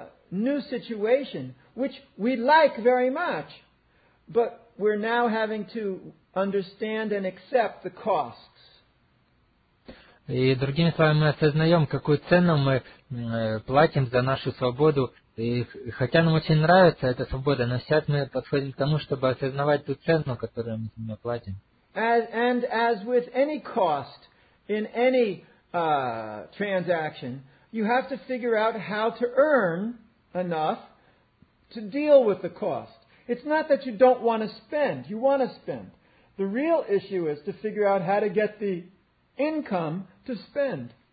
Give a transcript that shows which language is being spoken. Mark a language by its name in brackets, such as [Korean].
[English] new situation, which we like very much, but we're now having to understand and accept the costs. [Russian] И другими словами, мы осознаем, какую цену мы платим за нашу свободу. И хотя нам очень нравится эта свобода, но сейчас мы подходим к тому, чтобы осознавать ту цену, которую мы за нее платим. [English] And as with any cost in any transaction, you have to figure out how to earn enough to deal with the cost. It's not that you don't want to spend. You want to spend. The real issue is to figure out how to get the income to spend.